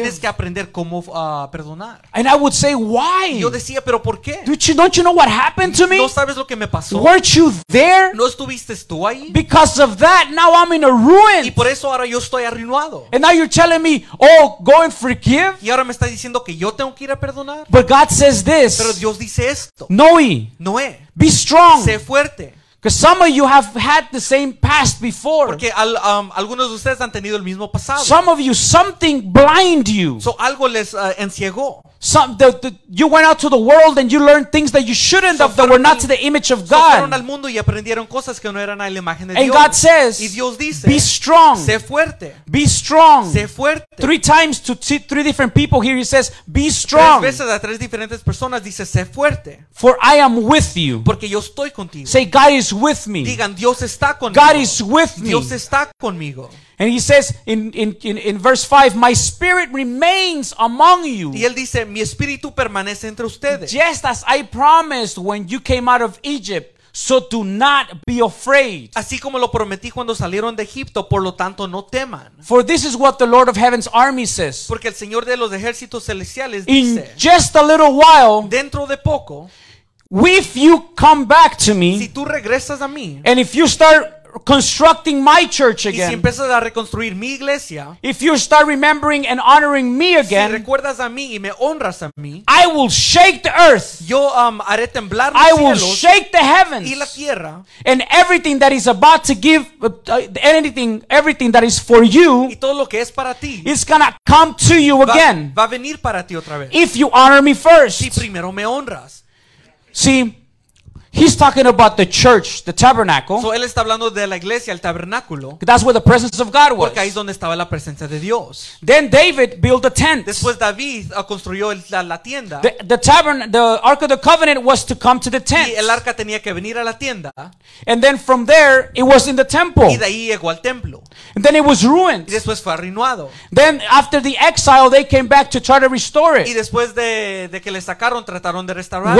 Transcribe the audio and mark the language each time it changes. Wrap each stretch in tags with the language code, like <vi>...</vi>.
<es>Tienes que aprender cómo perdonar.</es> <en>And I would say, why?</en> <es>Yo decía, pero ¿por qué?</es> <en>Don't you know what happened to me?</en> <es>¿No sabes lo que me pasó?</es> <en>Weren't you there?</en> <es>¿No estuviste tú ahí?</es> <en>Because of that, now I'm in a ruin.</en> <es>Y por eso ahora yo estoy arruinado.</es> <en>And now you're telling me, oh, go and forgive?</en> <es>Y ahora me estás diciendo que yo tengo que ir a perdonar.</es> <en>But God says this.</en> <es>Pero Dios dice esto.</es> <en>Noé. Be strong.</en> <es>Sé fuerte.</es> <en>Because some of you have had the same past before.</en> <es>Porque algunos de ustedes han tenido el mismo pasado.</es> <en>Some of you, something blind you.</en> <es>So algo les enciegó.</es> <en>You went out to the world and you learned things that you shouldn't have, that were not to the image of God.</en> <es>Fueron al mundo y aprendieron cosas que no eran a la imagen de Dios.</es> <en>And God says,</en> <es>y Dios dice,</es> <en>be strong.</en> <es>Sé fuerte.</es> <en>Be strong.</en> <es>Sé fuerte.</es> <en>Three times to three different people here, he says, be strong.</en> <es>Tres veces a tres diferentes personas dice, sé fuerte.</es> <en>For I am with you.</en> <es>Porque yo estoy contigo.</es> <en>Say, God is with me.</en> <es>Digan, Dios está conmigo.</es> <en>God is with me.</en> <es>Dios está conmigo.</es> <en>And he says in verse 5, my spirit remains among you.</en> <es>Y él dice, mi espíritu permanece entre ustedes.</es> <en>Just as I promised when you came out of Egypt, so do not be afraid.</en> <es>Así como lo prometí cuando salieron de Egipto, por lo tanto no teman.</es> <en>For this is what the Lord of Heaven's army says.</en> <es>Porque el Señor de los ejércitos celestiales dice,</es> <en>in just a little while,</en> <es>dentro de poco,</es> <en>if you come back to me,</en> <es>si tú regresas a mí,</es> <en>and if you start constructing my church again,</en> <es>y si empiezas a reconstruir mi iglesia,</es> <en>if you start remembering and honoring me again,</en> <es>si recuerdas a mí y me honras a mí,</es> <en>I will shake the earth.</en> <es>Yo haré temblar los</es> <en>cielos. I will shake the heavens</en> <es>y la tierra,</es> <en>and everything that is about to give everything that is for you,</en> <es>y todo lo que es para ti,</es> <en>is gonna come to you again.</en> <es>Va a venir para ti otra vez.</es> <en>If you honor me first,</en> <es>si primero me honras.</es> <en>See, he's talking about the church, the tabernacle.</en> <es>So él está hablando de la iglesia, el tabernáculo.</es> <en>That's where the presence of God was.</en> <es>Porque ahí es donde estaba la presencia de Dios.</es> <en>Then David built a tent.</en> <es>Después David construyó la tienda.</es> <en>The Ark of the Covenant was to come to the tent.</en> <es>Y el arca tenía que venir a la tienda.</es> <en>And then from there, it was in the temple.</en> <es>Y de ahí llegó al templo.</es> <en>And then it was ruined.</en> <es>Y después fue arruinado.</es> <en>Then after the exile, they came back to try to restore it.</en> <es>Y después de que le sacaron, trataron de restaurarlo.</es>